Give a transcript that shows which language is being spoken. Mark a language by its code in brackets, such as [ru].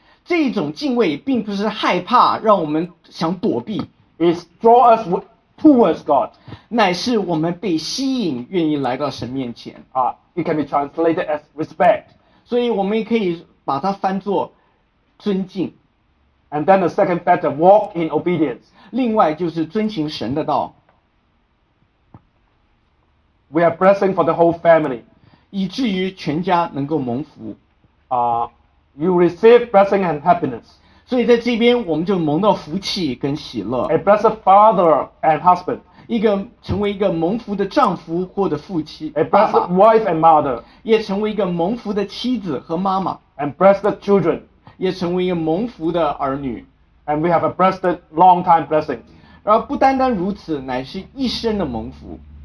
[zh] 这种敬畏并不是害怕让我们想躲避。It [en] draws us towards God. [zh] 乃是我们被吸引愿意来到神面前。 [en] It can be translated as respect. [zh] 所以我们也可以把它翻作尊敬。 [en] And then the second factor, walk in obedience. [zh] 另外就是遵行神的道。 [en] We are blessing for the whole family. [zh] 以至于全家能够蒙福。 [en] You receive blessing and happiness. [zh] 所以在这边我们就蒙到福气跟喜乐。 [en] A blessed father and husband. [zh] 成为一个蒙福的丈夫或者父亲，爸爸。 [en] A blessed wife and mother. [zh] 也成为一个蒙福的妻子和妈妈。 [en] And blessed children. [zh] 也成为一个蒙福的儿女。 [en] And we have a blessed long time blessing. [zh] 而不单单如此，乃是一生的蒙福。